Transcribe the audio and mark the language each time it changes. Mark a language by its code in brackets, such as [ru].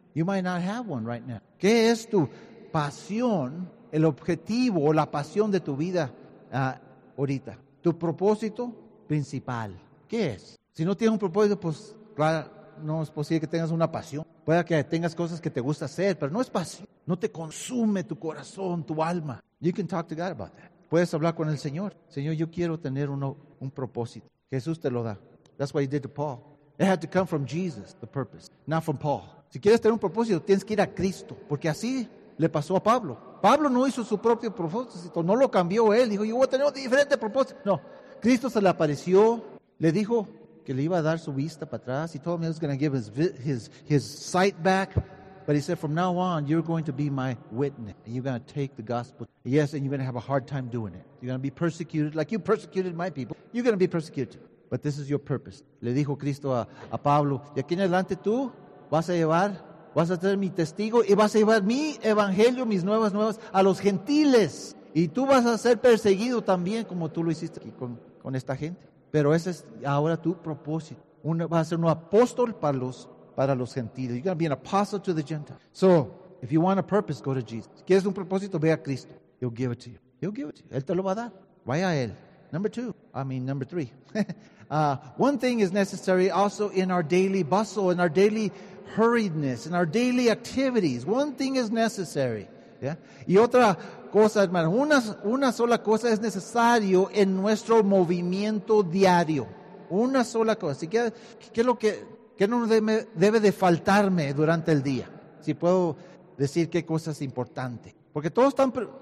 [en] You might not have one right now. [es] ¿Qué es tu pasión, el objetivo o la pasión de tu vida ahorita? Tu propósito principal. ¿Qué es? Si no tienes un propósito, pues claro, no es posible que tengas una pasión. Puede que tengas cosas que te gusta hacer, pero no es pasión. No te consume tu corazón, tu alma. [en] You can talk to God about that. [es] Puedes hablar con el Señor. Señor, yo quiero tener un propósito. Jesús te lo da. [en] That's what he did to Paul. It had to come from Jesus, the purpose, not from Paul. [es] Si quieres tener un propósito, tienes que ir a Cristo. Porque así le pasó a Pablo. Pablo no hizo su propio propósito. No lo cambió él. Dijo, yo voy a tener un diferente propósito. No. Cristo se le apareció. Le dijo que le iba a dar su vista para atrás. [en] He told me he was going to give his sight back. But he said, from now on, you're going to be my witness. And you're going to take the gospel. Yes, and you're going to have a hard time doing it. You're going to be persecuted like you persecuted my people. You're going to be persecuted too. But this is your purpose. [es] Le dijo Cristo a Pablo, de aquí en adelante tú vas a llevar, vas a ser mi testigo y vas a llevar mi evangelio, mis nuevas a los gentiles. Y tú vas a ser perseguido también como tú lo hiciste aquí con esta gente. Pero ese es ahora tu propósito. Uno va a ser un apóstol para los gentiles. [en] You're going to be an apostle to the Gentiles. So, if you want a purpose, go to Jesus. [es] Si quieres un propósito, ve a Cristo. [en] He'll give it to you. He'll give it to you. [es] Él te lo va a dar. Vaya a Él. [en] Number three. One thing is necessary also in our daily bustle, in our daily hurriedness, in our daily activities. One thing is necessary. Yeah? [es] Y otra cosa, hermano, una sola cosa es necesario en nuestro movimiento diario. Una sola cosa. Así que, ¿qué no debe de faltarme durante el día? Si puedo decir qué cosa es importante. Porque todos están...